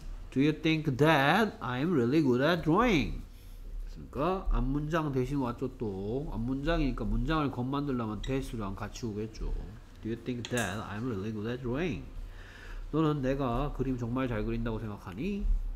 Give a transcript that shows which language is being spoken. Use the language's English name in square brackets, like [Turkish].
[English] Do you think that I'm really good at drawing? [Korean] 그러니까 앞문장 대신 왔죠 또. 앞문장이니까 문장을 겉만들려면 대수랑 같이 오겠죠. [English] Do you think that I'm really good at drawing? [Korean] 너는 내가 그림 정말 잘 그린다고 생각하니?